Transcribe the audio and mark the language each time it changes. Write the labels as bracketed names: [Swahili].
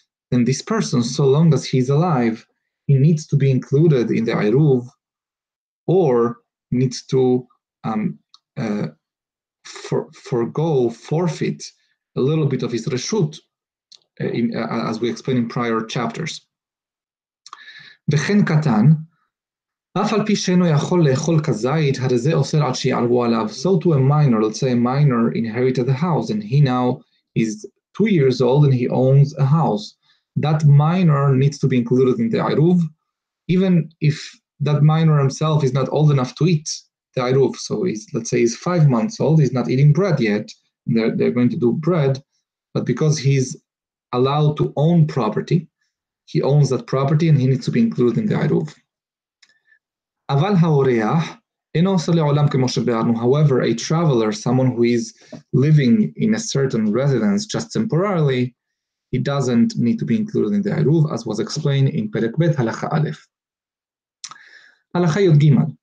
[English] And this person, so long as he's alive, he needs to be included in the עירוב, or needs to forfeit a little bit of his reshut, as we explained in prior chapters. [Hebrew] וכן קטן, אף על פי שאינו יכול לאכול כזית, הרי זה אוסר עד שיערבו עליו. [English] So to a minor, let's say a minor inherited the house, and he now is 2 years old and he owns a house. That minor needs to be included in the Eiruv, even if that minor himself is not old enough to eat the Eiruv, so he's 5 months old, he's not eating bread yet, they're going to do bread, but because he's allowed to own property, he owns that property and he needs to be included in the Eiruv. [Hebrew] אבל האורח אינו עושה לעולם כמו שבארנו. [English] However, a traveler, someone who is living in a certain residence just temporarily, he doesn't need to be included in the Eiruv, as was explained in [Hebrew] פרק ב' הלכה א'. הלכה י"ג.